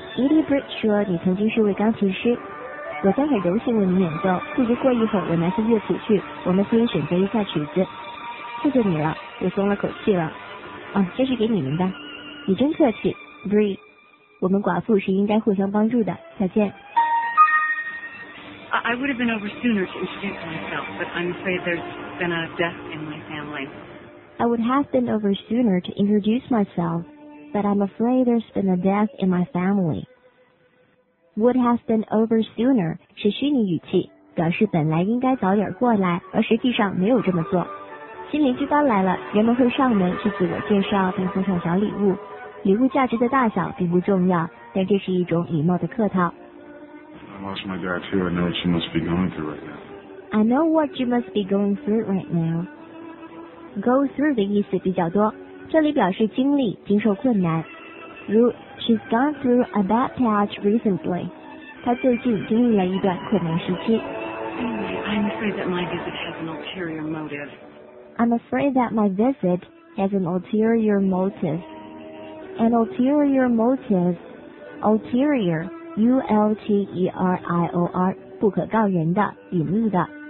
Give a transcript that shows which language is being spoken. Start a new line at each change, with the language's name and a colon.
Chinese: Edie Britt 说你曾经是位钢琴师。我将很荣幸为你演奏，不如过一会儿我拿些乐谱去，我们可以选择一下曲子。谢谢你了，我松了口气了。哦，这是给你们的。你真客气 ，Bree。我们寡妇是应该互相帮助的。再见。
English: I would have been over sooner to introduce myself, but I'm afraid there's been a death in my family. I would have been over sooner to introduce myself, but I'm afraid there's been a death in my family. Would have been over sooner
Chinese: 是虚拟语气，表示本来应该早点过来，而实际上没有这么做。新邻居搬来了，人们会上门去自我介绍并送上小礼物，礼物价值的大小并不重要，但这是一种礼貌的客套。
English: I know what you must be going through right now. Go through
Chinese: 的意思比较多，这里表示经历、经受困难，如
English: She's gone through a bad patch recently.
Chinese: 她最近经历了一段困难时期。
English: Anyway, I'm afraid that my visit has an ulterior motive. I'm afraid that my visit has an ulterior motive. An ulterior motive. Ulterior. U-L-T-E-R-I-O-R.
Chinese: 不可告人的，隐秘的。